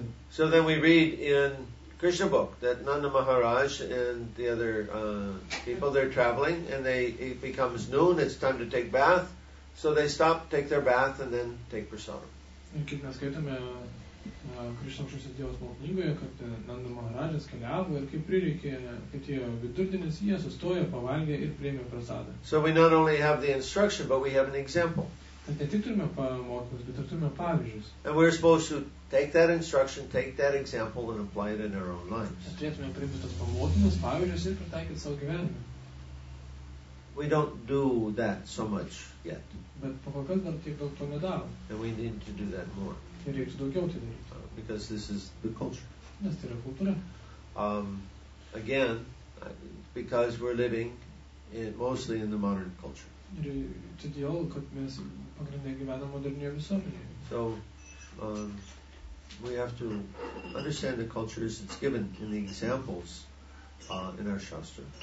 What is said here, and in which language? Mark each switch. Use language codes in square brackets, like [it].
[en] So then we read in Krishna book that Nanda Maharaj and the other people, they're traveling and it becomes noon, it's time to take bath, so they stop, take their bath and then take prasadam. [lt] Kaip mes skaitome Krishna Dievos knygoje, kad Nanda Maharajas keliavo ir kaip prireikė, kad jie vidurdienis, jie sustojo, pavalgė ir priėmė prasadą. [en] So we not only have the instruction, but we have an example. [lt] Tad ne tik turime pamokymus, bet ir turime pavyzdžius. [en] And we're supposed to take that instruction, take that example and apply it in our own lives. [lt] Turėtume priimti tas pamokymus, pavyzdžius ir pritaikyti savo gyvenime. [en] we don't do that so much yet. [lt] Bet pakol kas dar tiek daug to nedaro. [en] And we need to do that more. [lt] Ir reiktų daugiau tai daryti. [en] Because this is the culture. [lt] Nes tai yra kultūra. [en] Again, because we're living in, mostly in the modern culture. [lt] Ir todėl, kad mes pagrindai gyvename modernioje visuomenėje. [en] So, we have to understand the cultures it's given in the examples in our shastra.